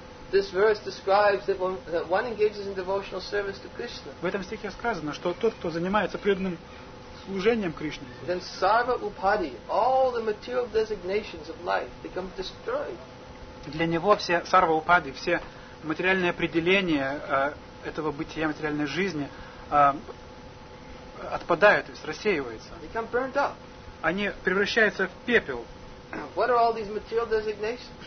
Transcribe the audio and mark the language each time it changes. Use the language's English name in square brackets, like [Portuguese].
[English] This verse describes that one engages in devotional service to Krishna. [Russian] В этом стихе сказано, что тот, кто занимается преданным служением Кришне, [English] then sarva upadhi, all the material designations of life become destroyed. [Russian] Для него все сарва упади, все материальные определения этого бытия, материальной жизни отпадают, то есть рассеиваются. [English] They become burned up. [Russian] Они превращаются в пепел. [English] What are all these material designations?